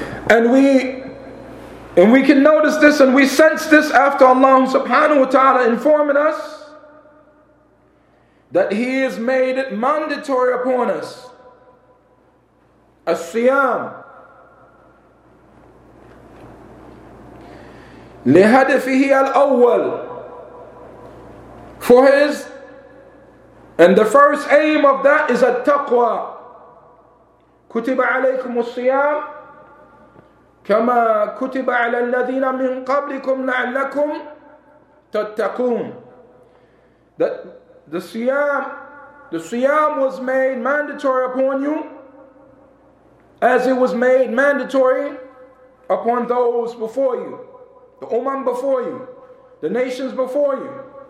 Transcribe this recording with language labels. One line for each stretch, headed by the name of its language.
English: And we can notice this, and we sense this after Allah subhanahu wa ta'ala informing us that He has made it mandatory upon us,
Arabic: as-siyam, lihadifihi al-awwal,
English: for His, and the first aim of that is at-taqwa.
Arabic: Kutiba alaykum as-siyam كما كتب على الذين من قبلكم لعلكم تتقون.
English: That the siyam was made mandatory upon you, as it was made mandatory upon those before you, the umam before you, the nations before you.